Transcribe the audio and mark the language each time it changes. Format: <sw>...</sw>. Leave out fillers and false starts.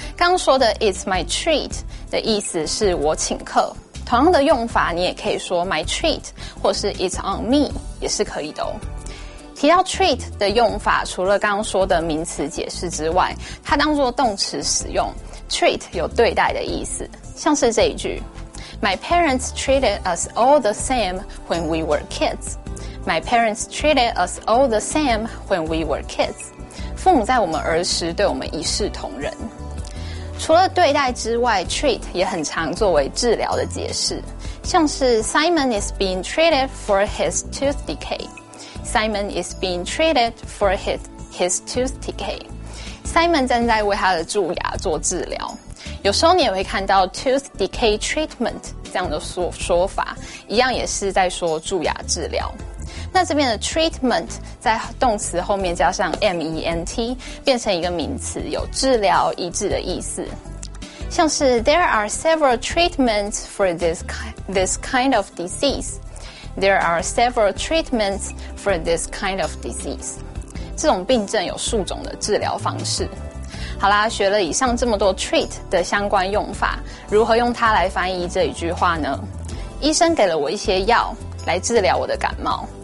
<zh>刚刚说的 it's my treat 的意思是我请客。同样的用法，你也可以说 my treat 或是 it's on me 也是可以的哦。提到 treat 的用法，除了刚刚说的名词解释之外，它当作动词使用。</zh> <en>treat</en> <zh>有对待的意思，像是这一句</zh> <en>：My parents treated us all the same when we were kids. My parents treated us all the same when we were kids.</en> <zh>父母在我们儿时对我们一视同仁。除了对待之外 ，treat 也很常作为治疗的解释，像是</zh> <en>Simon is being treated for his tooth decay. Simon is being treated for his tooth decay. Simon</en> <zh>正在为他的蛀牙做治疗。有时候你也会看到 tooth decay treatment 这样的 说法，一样也是在说蛀牙治疗。那这边的 treatment 在动词后面加上 ment， 变成一个名词，有治疗、医治的意思。</zh> <en>像是 there are several treatments for this kind of disease. There are several treatments for this kind of disease.</en> <zh>这种病症有数种的治疗方式。好啦，学了以上这么多 treat 的相关用法，如何用它来翻译这一句话呢？医生给了我一些药来治疗我的感冒。</zh>